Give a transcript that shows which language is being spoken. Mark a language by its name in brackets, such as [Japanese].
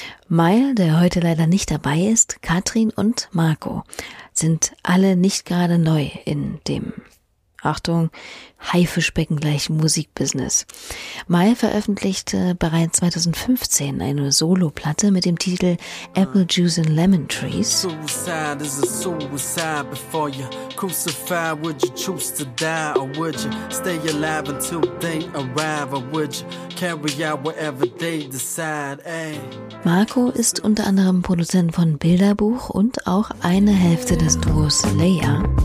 [German] Mai, der heute leider nicht dabei ist, Katrin und Marco sind alle nicht gerade neu in dem, Achtung, Haifischbecken gleich Musikbusiness. Mai veröffentlichte bereits 2015 eine Solo-Platte mit dem Titel Apple Juice and Lemon Trees. [English] Suicide is a suicide before you crucify. Would you choose to die or would you stay alive until they arrive? Or would you carry out whatever they decide? Ey. [German] Marco ist unter anderem Produzent von Bilderbuch und auch eine Hälfte des Duos Leia.